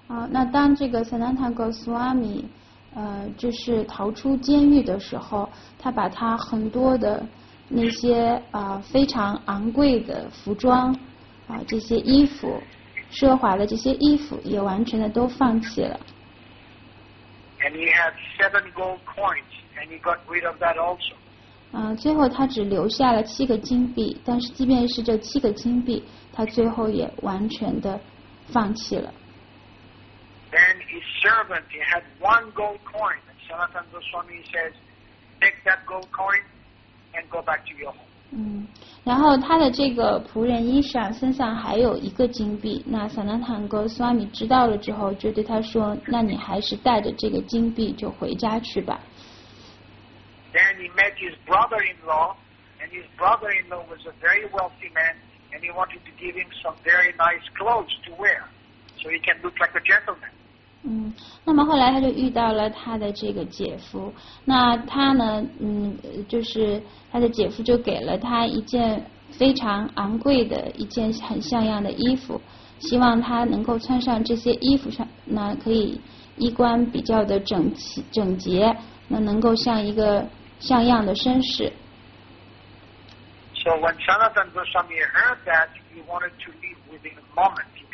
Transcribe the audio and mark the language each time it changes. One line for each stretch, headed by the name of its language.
Chinese: 那当这个 Sanatana Goswami就是逃出监狱的时候，他把他很多的那些非常昂贵的服装这些衣服，奢华的这些衣服也完全的都放弃了。
English: And he had 7 gold coins, and he got rid of that also.
Chinese: 最后他只留下了7个金币，但是即便是这七个金币，他最后也完全的放弃了。
English: Then his servant, he had 1 gold coin. And Sanatana Goswami says, take that gold coin and go back to your home.
Chinese: 然后他的这个仆人伊莎身上还有一个金币。那 Sanatana Goswami 知道了之后就对他说，那你还是带着这个金币就回家去吧。
English: Then he met his brother-in-law, and his brother-in-law was a very wealthy man, and he wanted to give him some very nice clothes to wear. So he can look like a gentleman.
Chinese: 那么后来他就遇到了他的这个姐夫。那他呢，就是他的姐夫就给了他一件非常昂贵的一件很像样的衣服，希望他能够穿上这些衣服上，那可以衣冠比较的整齐整洁，那能够像一个像样的绅士。
English: So when Sanatana Goswami heard that, he wanted to leave within a moment.